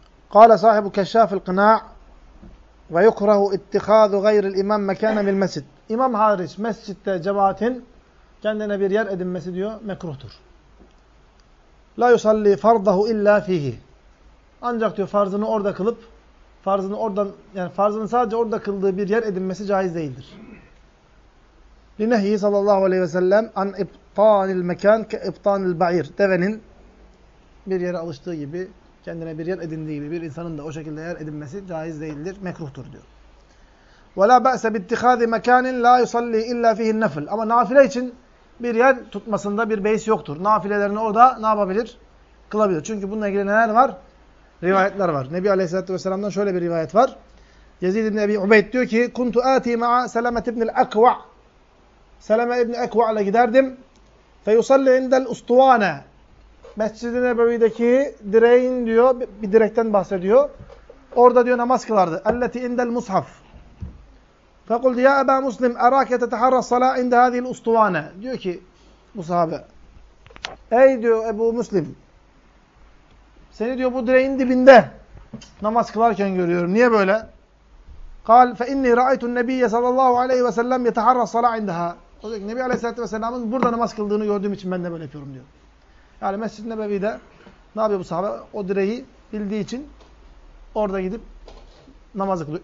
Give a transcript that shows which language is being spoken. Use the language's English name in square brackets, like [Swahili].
[Arabic] قال صاحب كشاف القناع ويكره اتخاذ غير الإمام مكانا في المسجد. [Turkish] İmam hariç mescitte cemaatin kendine bir yer edinmesi diyor mekruhtur. [Arabic] لا يصلي فرضه إلا فيه. [Turkish] Ancak diyor farzını orada kılıp farzını oradan yani farzını sadece orada kıldığı bir yer edinmesi caiz değildir. [Arabic] لنهي صلى الله عليه وسلم عن إبطان المكان كإبطان البعير. [Turkish] Devenin bir yere alıştığı gibi kendine bir yer edindiği gibi bir insanın da o şekilde yer edinmesi caiz değildir, mekruhtur diyor. [Arabic] وَلَا بَأْسَ بِاتِّخَاذِ مَكَانٍ لَا يُصَلِّي إِلَّا فِيهِ النَّفِلِ [Turkish] ama nafile için bir yer tutmasında bir beis yoktur. Nafilelerini orada ne yapabilir? Kılabilir. Çünkü bununla ilgili neler var? Rivayetler var. Nebi Aleyhisselatü Vesselam'dan şöyle bir rivayet var. Yezid ibn Ebi Ubeyd diyor ki [Arabic] كُنْتُ آتِي مَعَ سَلَمَةِ ibn الْأَكْوَعِ [Turkish] Seleme ibn-i Ekva'la giderdim. [Arabic] فَيُصَلِّ عِنْدَ الْاُسْطُوَانَ [Turkish] Mescid-i Nebevi'deki direğin diyor, bir direkten bahsediyor. Orada diyor namaz kılardı. [Arabic] اَلَّتِ عِنْدَ الْمُصْحَفِ فَقُلْدِ يَا أَبَا مُسْلِمْ اَرَاكَ تَتَحَرَّ الصَّلَاءِ عِنْدَ هَذِي الْاُسْطُوَانَ [Turkish] diyor ki bu sahabe. Ey diyor Ebu Müslim. Seni diyor bu direğin dibinde namaz kılarken görüyorum. Niye böyle? [Arabic] قال فَاِنِّي رَأَيْتُ النَّبِيَّ صَلَى اللّٰهُ عَلَيْهِ وَسَلَّمْ يَتَحَرَّ الصَّلَاءِ عِنْدَهَا [Turkish] O diyor ki Nebi Aleyhisselatü Vesselam'ın burada namaz kıldığını gördüğüm için ben de böyle yapıyorum diyor. Yani Mescid-i Nebevi'de ne yapıyor bu sahabe? O direği bildiği için orada gidip namazı kılıyor.